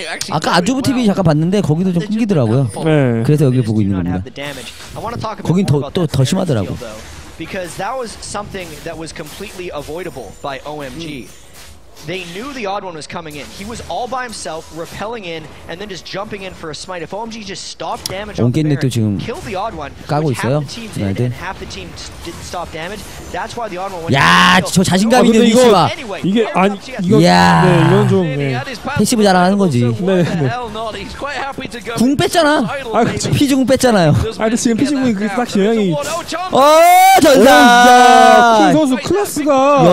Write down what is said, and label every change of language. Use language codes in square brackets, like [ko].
[ko] 아까 아주브 TV 잠깐 봤는데 거기도 좀 끊기더라고요. 네. 그래서 여기 보고 있는 겁니다. 거긴 더 심하더라고. [en] Because that was something that was completely avoidable by OMG. They knew the odd one was coming in. He was all by himself, rappelling in, and then just jumping in for a smite. If OMG just stopped damage on the Baron, killed the odd one, which half the team did, and half the team didn't stop damage, that's why the odd one went to kill. [ko] 야, 저 자신감 있는 이거 봐. 이게 아니, 이거, 야, 네, 이건 좀, 네. 패시브 잘하는 거지. 네네네. 궁 뺐잖아. 아, 피지 궁 뺐잖아요. 아, 근데 지금 피지 궁이 그게 딱 영향이. 어, 전사! 쿵 선수 클래스가.